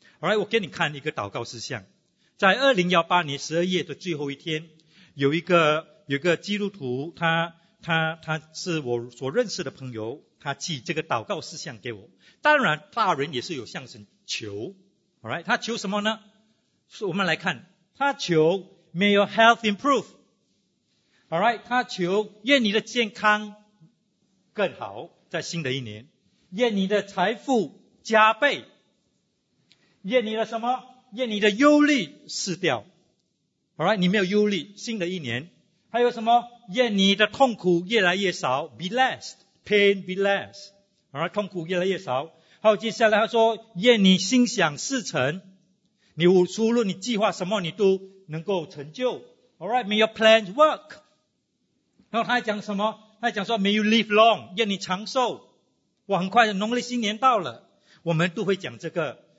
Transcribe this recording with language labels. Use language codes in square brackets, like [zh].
[zh] All right， 我给你看一个祷告事项。在2018年12月的最后一天，有一个基督徒，他是我所认识的朋友，他寄这个祷告事项给我。当然大人也是有向神求。All right， 他求什么呢？我们来看，他求 [en] May your health improve。 [zh] All right， 他求愿你的健康更好，在新的一年，愿你的财富加倍，愿你的什么？愿你的忧虑失掉。All right， 你没有忧虑，新的一年，还有什么？愿你的痛苦越来越少 ， [en] be less pain, be less。 [zh] All right， 痛苦越来越少。还有接下来他说，愿你心想事成，你无论你计划什么，你都能够成就。 All right， [en] may your plans work。 [zh] 然后他还讲什么？他还讲说 ， [en] May you live long， [zh] 愿你长寿。我很快的农历新年到了，我们都会讲这个。